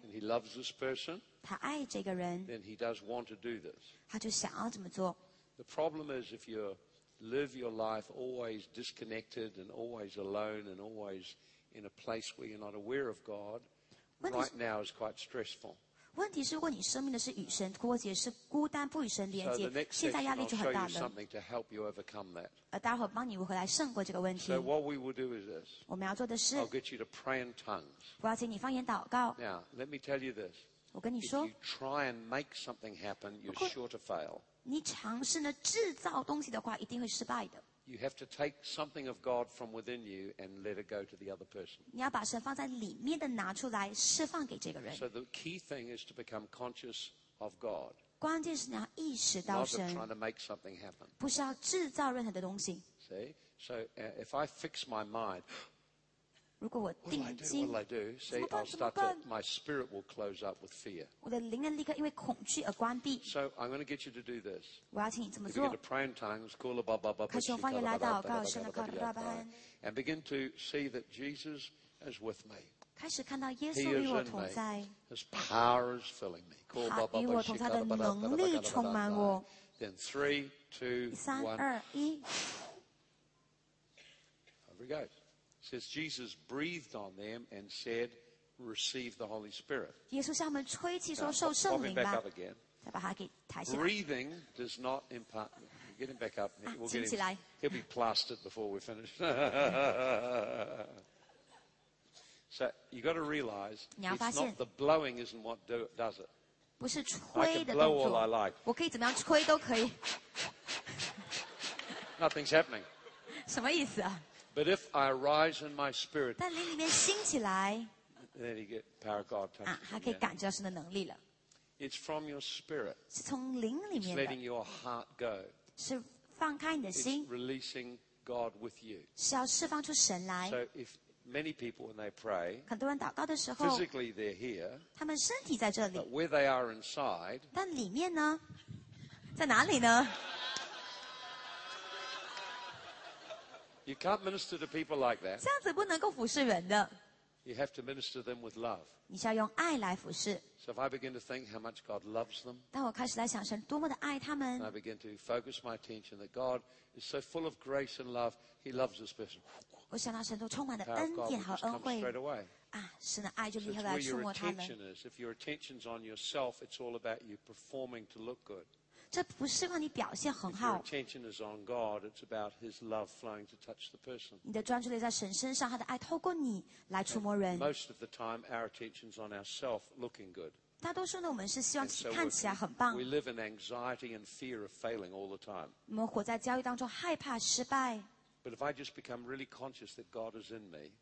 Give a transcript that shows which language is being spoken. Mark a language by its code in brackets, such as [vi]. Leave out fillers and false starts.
[en] And He loves this person, [zh] 他爱这个人。 [en] Then He does want to do this. [zh] 他就想要这么做。 [en] The problem is if you're live your life always disconnected and always alone and always in a place where you're not aware of God, right now is quite stressful. [zh] 问题是如果你生命的是与神脱节，是孤单不与神连接，现在压力就很大了。 [en] I'll show you something to help you overcome that. [zh] 待会儿帮你如何来胜过这个问题。 [en] So what we will do is this. [zh] 我们要做的是。 [en] I'll get you to pray in tongues. [zh] 我要请你方言祷告。 [en] Now, let me tell you this. [zh] 我跟你说。 [en] If you try and make something happen, you're sure to fail. [zh] 你尝试呢制造东西的话，一定会失败的。 [en] You have to take something of God from within you and let it go to the other person. [zh] 你要把神放在里面的拿出来释放给这个人。 [en] So the key thing is to become conscious of God. [zh] 关键是你要意识到神。 [en] Not trying to make something happen. [zh] 不是要制造任何的东西。 [en] See? So if I fix my mind, [zh] 如果我定睛, [en] what will I do? See, I'll start to, my spirit will close up with fear. [zh] 我的灵立刻因为恐惧而关闭。 [en] So I'm going to get you to do this. [zh] 我要请你这么做。 [en] If you get a prayer in tongues, [zh] 开始用方言来祷告，神的高高山， [en] and begin to see that Jesus is with me. [zh] 开始看到耶稣与我同在。 [en] His power is filling me. [zh] 与我同在的能力充满我。 [en] Then 3, 2, 1. Here we go. It says Jesus breathed on them and said, "Receive the Holy Spirit." [zh] 耶稣向他们吹气说受圣灵吧。 [en] Pop him back up again. [zh] 再把他给抬起来。 [en] Breathing does not impart. Get him back up. We'll get him. He'll be plastered before we finish. So you got to realize, it's not the blowing isn't what does it. [zh] 不是吹的动作。 [en] I can blow all I like. [zh] 我可以怎么样吹都可以。 [en] Nothing's happening. [zh] 什么意思啊？ [en] But if I arise in my spirit, [zh] 但灵里面兴起来 [en] then you get power of God touches you. [zh] 可以感觉到神的能力了。 [en] It's from your spirit. [zh] 是从灵里面的。 [en] It's letting your heart go. [zh] 是放开你的心。 [en] It's releasing God with you. [zh] 是要释放出神来。 [en] So if many people when they pray, [zh] 很多人祷告的时候 [en] physically they're here, [zh] 他们身体在这里。 [en] But where they are inside, [zh] 但里面呢？在哪里呢？ [en] You can't minister to people like that. [zh] 这样子不能够服侍人的。 [en] You have to minister them with love. [zh] 你需要用爱来服侍。 [en] So if I begin to think how much God loves them, [zh] 当我开始来想神多么的爱他们。 [en] And I begin to focus my attention that God is so full of grace and love, He loves this person. [zh] 我想到神都充满了恩典和恩惠。 [en] Straight away. [zh] 神的爱就立刻来触摸他们。 [en] So it's where your attention is. If your attention's on yourself, it's all about you performing to look good. [zh] 这不是让你表现很好。 [en] Your attention is on God. It's about His love flowing to touch the person. [zh] 你的专注力在神身上，他的爱透过你来触摸人。 [en] Most of the time, our attention is on ourselves, looking good. [zh] 大多数呢，我们是希望自己看起来很棒。 [en] We live in anxiety and fear of failing all the time. [zh] 我们活在焦虑当中，害怕失败。 [en] But if I just become really conscious that God is in me,